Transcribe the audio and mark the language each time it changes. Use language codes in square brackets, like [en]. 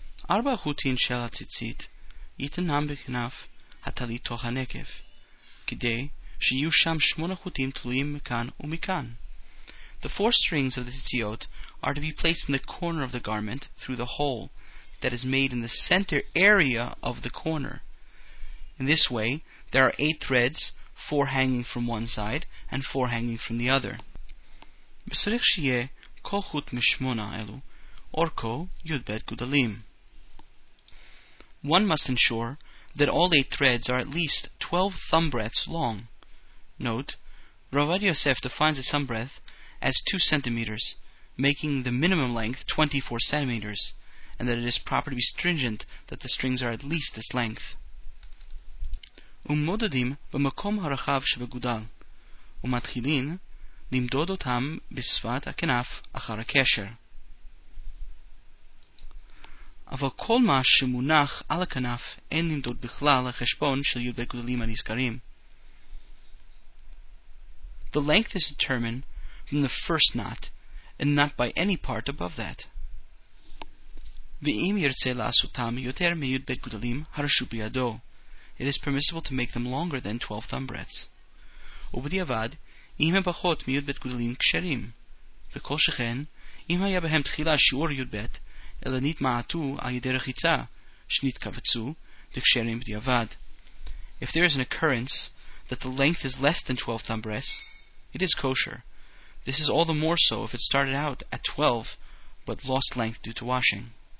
[he] ארבע חוטין של הציצית יתנם בכנף הטלית תוך הנקף, כדי שיהיו שם שמונה חוטים תלויים מכאן ומכאן. [en] The four strings of the tzitziot are to be placed in the corner of the garment through the hole that is made in the center area of the corner. In this way, there are eight threads, four hanging from one side and four hanging from the other. [he] וצריך שיהיה כל חוט משמונה אלו, אורכו י"ב גודלים. [en] One must ensure that all eight threads are at least 12 thumb breadths long. Note, Rav Avadya Yosef defines a thumb breadth as 2 centimeters, making the minimum length 24 centimeters, and that it is proper to be stringent that the strings are at least this length. [he] ומודדים במקום הרחב שבגודל, ומתחילים למדוד אותם בשפת הכנף אחר הקשר. אבל כל מה שמונח על הכנף אין למדוד בכלל החשבון של י' בגודלים הנזכרים. [en] The length is determined from the first knot, and not by any part above that. [he] ואם ירצה לעשותם יותר מי' בגודלים הרשו בידו, [en] it is permissible to make them longer than 12 thumb breadths. [he] ובדיעבד, אם הם פחות מי' בגודלים קשרים, וכל שכן, אם היה בהם תחילה שיעור י' ב', אלא נתמעטו על ידי רחיצה, שנתכווצו, וקשרים בדיעבד. [en] If there is an occurrence that the length is less than 12 thumb breadths, it is kosher. This is all the more so if it started out at 12, but lost length due to washing.